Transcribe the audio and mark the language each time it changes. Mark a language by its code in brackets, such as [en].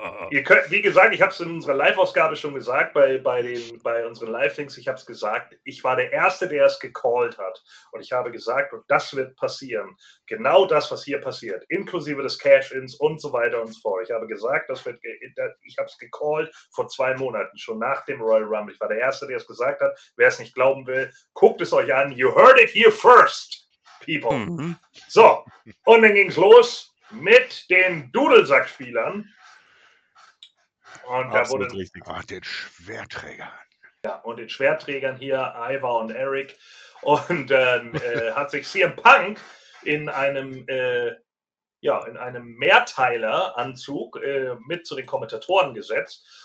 [de] Ihr könnt, wie gesagt, ich habe es in unserer Live-Ausgabe schon gesagt, bei unseren Live-Things, ich habe es gesagt, ich war der Erste, der es gecallt hat. Und ich habe gesagt, und das wird passieren, genau das, was hier passiert, inklusive des Cash-Ins und so weiter und so fort. Ich habe gesagt, ich habe es gecallt vor 2 Monaten, schon nach dem Royal Rumble. Ich war der Erste, der es gesagt hat. Wer es nicht glauben will, guckt es euch an. [en] You heard it here first, people. Mhm. [de] So, und dann ging es los mit den Dudelsackspielern. Und absolut, da wurde richtig. Ach, den Schwerträgern. Ja, und den Schwerträgern hier, Ivar und Eric. Und dann hat sich CM Punk in einem Mehrteiler-Anzug mit zu den Kommentatoren gesetzt.